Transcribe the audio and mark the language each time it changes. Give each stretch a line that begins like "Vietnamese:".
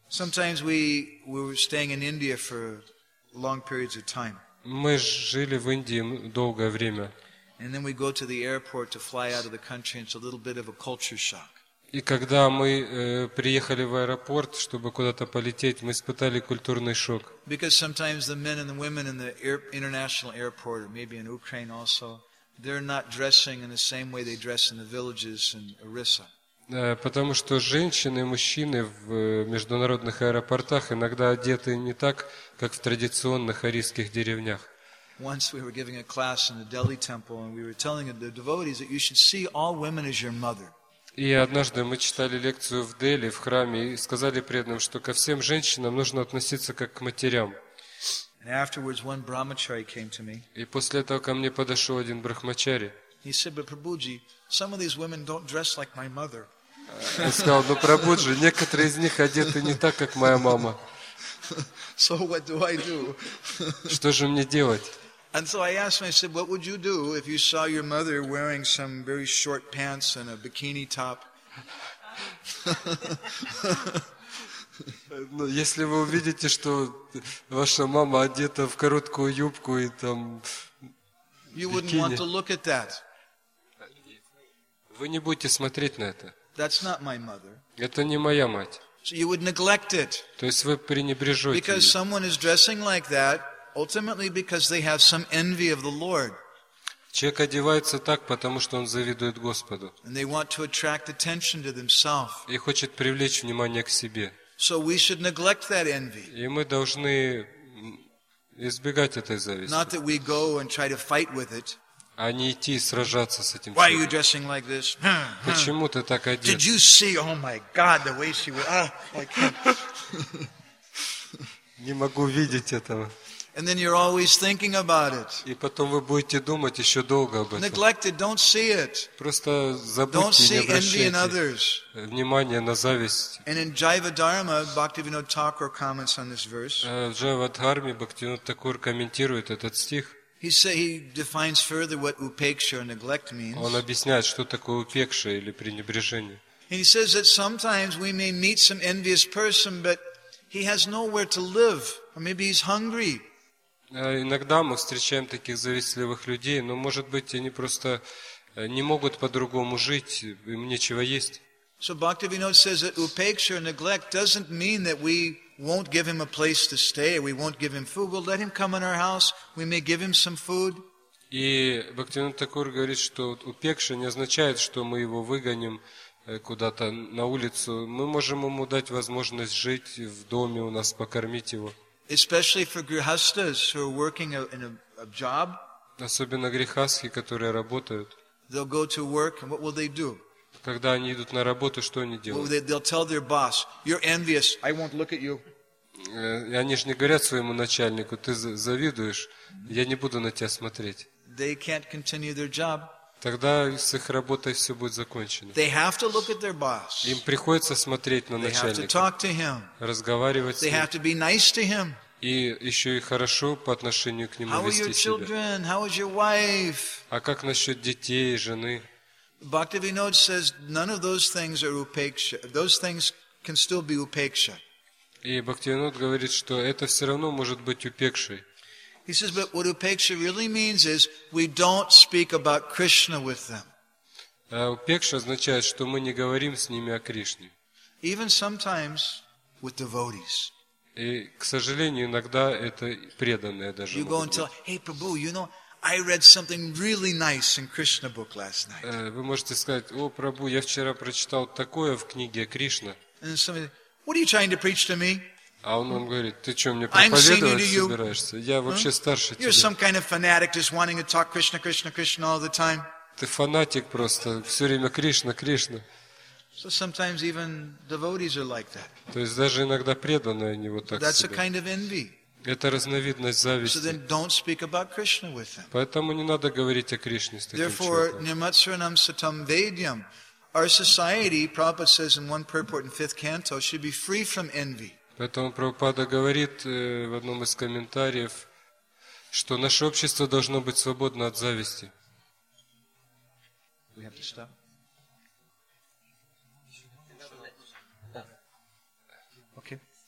English: Sometimes we were staying in India for long periods of time.
Russian: Мы жили в Индии долгое время. И когда мы приехали в аэропорт, чтобы куда-то полететь, мы испытали культурный шок.
English: Because sometimes the men and the women in the international airport, or maybe in Ukraine also, they're not dressing in the same way they dress in the villages in Orissa.
Russian: Потому что женщины и мужчины в международных аэропортах иногда одеты не так, как в традиционных арийских деревнях.
English: Once we were giving a class in the Delhi temple and we were telling the devotees that you should see all women as your mother.
Russian: И однажды мы читали лекцию в Дели, в храме, и сказали преданным, что ко всем женщинам нужно относиться как к матерям.
English: And afterwards one brahmachari came to me.
Russian: И после этого ко мне подошел один брахмачари.
English: He said, but Prabhuji, some of these women don't dress like my mother.
Russian: Он сказал, но Прабхуджи, некоторые из них одеты не так, как моя мама.
English: So what do I do?
Russian: Что же мне делать?
English: And so I asked him, I said, what would you do if you saw your mother wearing some very short pants and a bikini top?
Russian: Ну, если вы увидите, что ваша мама одета в короткую юбку и там
English: You wouldn't
Russian: bikini.
English: Want to look at that.
Russian: Вы не будете смотреть на это.
English: That's not my mother.
Russian: Это не моя мать.
English: So you would neglect it.
Russian: То есть вы пренебрежете.
English: Because someone is dressing like that, ultimately because they have some envy of the Lord.
Russian: Человек одевается так, потому что он завидует Господу.
English: And they want to attract attention to themselves.
Russian: И хочет привлечь внимание к себе.
English: So we should neglect that envy.
Russian: И мы должны избегать этой зависти.
English: Not that we go and try to fight with it.
Russian: А не идти сражаться с этим.
English: Why are you dressing like this?
Russian: Почему ты так одет?
English: Did you see? Oh my God, the way she was.
Russian: Не могу видеть этого.
English: And then you're always thinking about it.
Russian: И потом вы будете думать еще долго об этом.
English: Neglect it. Don't see it.
Russian: Просто забудьте, не обращайте внимания на зависть.
English: And in Jivadharma, Bhaktivinoda Thakur comments on this verse.
Russian: В Jivadharme Bhaktivinoda Thakur комментирует этот стих.
English: He defines further what upeksha or neglect means.
Russian: Он объясняет, что такое упекша или пренебрежение.
English: And he says that sometimes we may meet some envious person, but he has nowhere to live, or maybe he's hungry.
Russian: Иногда мы встречаем таких завистливых людей, но, может быть, они просто не могут по-другому жить, им нечего есть.
English: So Bhaktivinoda says that upeksha or neglect doesn't mean that we won't give him a place to stay, we won't give him food, we'll let him come in our house, we may give him some food.
Russian: И Бхактивинода Такур говорит, что упекша не означает, что мы его выгоним куда-то на улицу. Мы можем ему дать возможность жить в доме у нас, покормить его.
English: Especially for grihasthas who are working in a job.
Russian: Особенно грихасхи, которые работают.
English: They'll go to work, and what will they do?
Russian: Когда они идут на работу, что они делают?
English: Well, they'll tell their boss, "You're envious. I won't look at you."
Russian: Они же не говорят своему начальнику, ты завидуешь, я не буду на тебя смотреть.
English: They can't continue their job.
Russian: Тогда с их работой все будет закончено.
English: They have to look at their boss.
Russian: Им приходится смотреть на начальника.
English: They have to talk to him.
Russian: Разговаривать с ним.
English: They have to be nice to him.
Russian: И еще и хорошо по отношению к нему вести себя.
English: How are your children? How is your wife?
Russian: А как насчет детей и жены?
English: Bhaktivinoda says none of those things are upeksha. Those things can still be upeksha.
Russian: И Бхактивинод говорит, что это все равно может быть упекшей.
English: He says, but what upeksha really means is we don't speak about Krishna with them.
Russian: Упекша означает, что мы не говорим с ними о Кришне.
English: Even sometimes with devotees.
Russian: И, к сожалению, иногда это преданные даже.
English: You go and tell, hey, Prabhu, you know, I read something really nice in Krishna book last night.
Russian: Вы можете сказать, о, Прабху, я вчера прочитал такое в книге Кришна.
English: And somebody, what are you trying to preach to me?
Russian: А он вам говорит, ты что, мне проповедовать собираешься? Я вообще старше тебя.
English: You're some kind of fanatic, just wanting to talk Krishna, Krishna, Krishna all the time.
Russian: Ты фанатик просто, все время Кришна, Кришна.
English: So sometimes even devotees are like that.
Russian: То есть даже иногда преданные они вот так себя.
English: That's a kind of envy.
Russian: Это разновидность зависти.
English: So then don't speak about Krishna with them.
Russian: Поэтому не надо говорить о Кришне с таким
English: Therefore,
Russian: человеком.
English: Therefore,
Sanskrit: nirmatsranam satam vedyam.
English: Our society, Prabhupada says in one purport in fifth canto, should be free from envy.
Russian: Поэтому Прабхупада говорит в одном из комментариев, что наше общество должно быть свободно от зависти.
English: We have to stop. Okay.